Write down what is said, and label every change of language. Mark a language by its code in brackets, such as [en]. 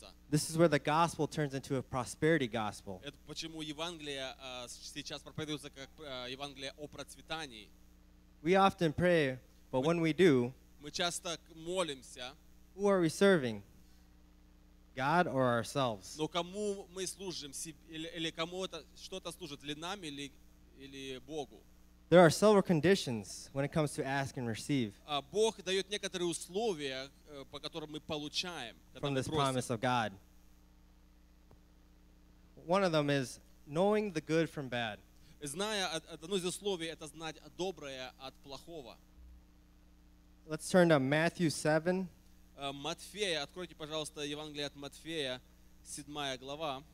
[en] This is where the gospel turns into a prosperity gospel. [ru] Это почему Евангелие сейчас проповедуется как Евангелие о процветании. [en] We often pray, but when we do, [ru] мы часто молимся. [en] Who are we serving? God or ourselves? [ru] Но кому мы служим, или кому это что-то служит, ли нам или Богу? [en] There are several conditions when it comes to ask and receive. [ru] Бог дает некоторые условия, по которым мы получаем. [en] From this promise of God. One of them is knowing the good from bad. [ru] Зная одно из условий, это знать доброе от плохого. [en] Let's turn to Matthew 7. [ru] Матфея, откройте, пожалуйста, Евангелие от Матфея, 7 глава.